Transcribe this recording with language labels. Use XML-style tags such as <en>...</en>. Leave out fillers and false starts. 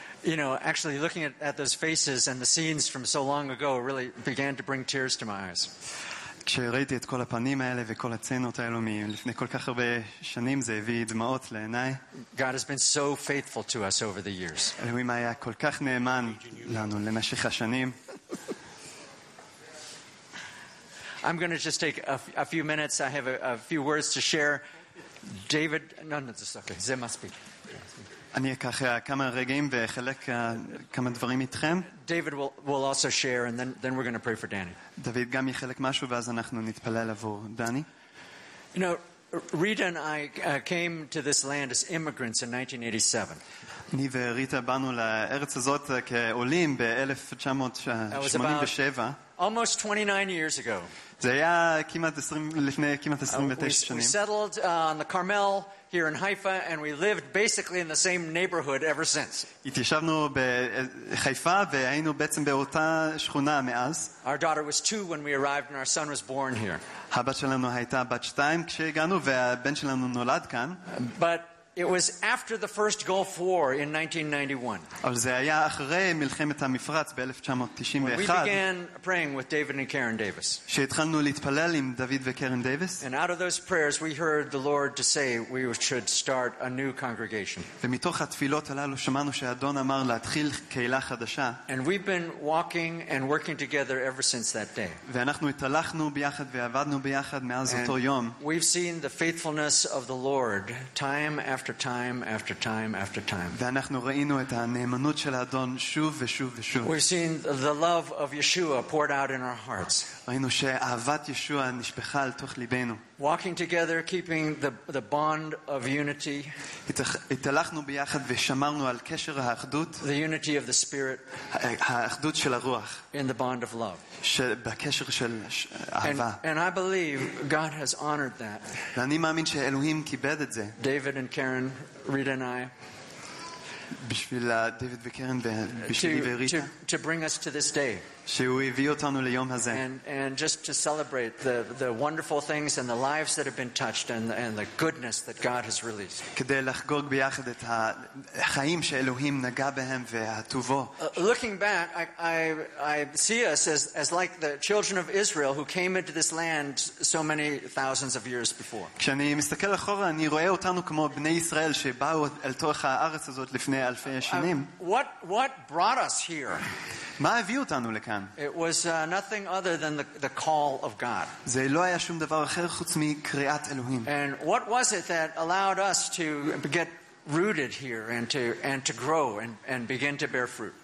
<en>You know, actually looking at those faces and the scenes from so long ago really began to bring tears to my eyes.</en> <he>כשראיתי את כל הפנים האלה וכל הצנות האלו מלפני כל כך הרבה שנים, זה הביא דמעות לעיניי.</he> <en>God has been so faithful to us over the years.</en> <he>אלוהים היה כל כך נאמן לנו למשך השנים.</he> <en>I'm going to just take a few minutes. I have a few words to share. David, no, it's okay.</en> <he>זה מספיק. אני אקח כמה רגעים וחלק כמה דברים איתכם.</he> <en>David will also share, and then we're going to pray for Danny.</en> <he>David גם יחלק משהו ואז אנחנו נתפלל עבור דני.</he> <en>You know, Rita and I came to this land as immigrants in 1987.</en> <he>אני וריטה באנו לארץ הזאת כעולים ב-1987.</he> <en>Almost 29 years ago.</en> <he>זה היה כמעט 20, לפני כמעט 29 שנים.</he> <en>We settled on the Carmel here in Haifa, and we lived basically in the same neighborhood ever since.</en> <he>התיישבנו בחיפה והיינו בעצם באותה שכונה מאז.</he> <en>Our daughter was 2 when we arrived and our son was born here.</en> <he>הבת שלנו הייתה בת 2 כשהגענו והבן שלנו נולד כאן.</he> <en>But it was after the first Gulf War in 1991.</en> <he>אבל זה היה אחרי מלחמת המפרץ ב-1991.</he> <en>We began praying with David and Karen Davis.</en> <he>שהתחלנו להתפלל עם דוד וקרן דייוויס.</he> <en>And out of those prayers we heard the Lord to say we should start a new congregation.</en> <he>ומתוך התפילות הללו שמענו שאדון אמר להתחיל קהילה חדשה.</he> <en>And we've been walking and working together ever since that day.</en> <he>ואנחנו התהלכנו ביחד ועבדנו ביחד מאז אותו יום.</he> <en>We've seen the faithfulness of the Lord time after time after time after time.</en> <he>ואנחנו ראינו את הנאמנות של האדון שוב ושוב ושוב.</he> <en>We've seen the love of Yeshua poured out in our hearts.</en> <he>ראינו שאהבת ישוע נשפכה אל תוך ליבנו.</he> <en>Walking together, keeping the bond of unity.</en> <he>התהלכנו ביחד ושמרנו על קשר האחדות.</he> <en>The unity of the spirit.</en> <he>האחדות של הרוח.</he> <en>In the bond of love.</en> <he>בקשר של אהבה.</he> <en>And I believe God has honored that.</en> <he>ואני מאמין שאלוהים כיבד את זה.</he> <en>David and Karen, Rita and I.</en> <he>בשביל דיוויד וקרן ובשבילי וריטה.</he> <en>To bring us to this day.</en> <he>שהוא הביא אותנו ליום הזה.</he> <en>And just to celebrate the wonderful things and the lives that have been touched and the goodness that God has released.</en> <he>כדי לחגוג ביחד את החיים שאלוהים נגע בהם והטובו.</he> <en>Looking back, I see us as like the children of Israel who came into this land so many thousands of years before.</en> <he>כשאני מסתכל אחורה אני רואה אותנו כמו בני ישראל שבאו אל תוך הארץ הזאת לפני אלפי שנים.</he> <en>What brought us here?</en> <he>מה הביא אותנו לכאן?</he> <en>It was nothing other than the call of God.</en> <he>זה לא היה שום דבר אחר חוץ מקריאת אלוהים.</he> <en>And what was it that allowed us to get rooted here and to grow and begin to bear fruit?</en>